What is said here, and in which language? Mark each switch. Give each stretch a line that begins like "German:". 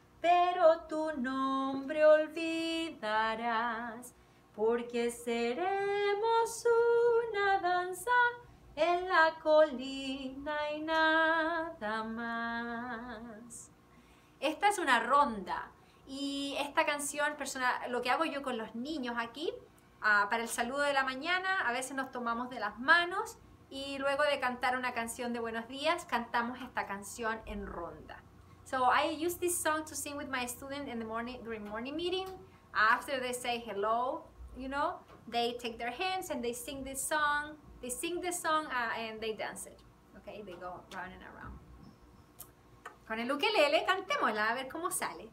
Spanish: Pero tu nombre olvidarás, porque seremos una danza en la colina y nada más. Esta es una ronda y esta canción, personal, lo que hago yo con los niños aquí, para el saludo de la mañana, a veces nos tomamos de las manos y luego de cantar una canción de buenos días, cantamos esta canción en ronda.
English: So I use this song to sing with my student in the morning during morning meeting. After they say hello, you know, they take their hands and they sing this song. They sing this song and they dance it. Okay, they go round and around.
Spanish: Con el ukelele cantémosla a ver cómo sale.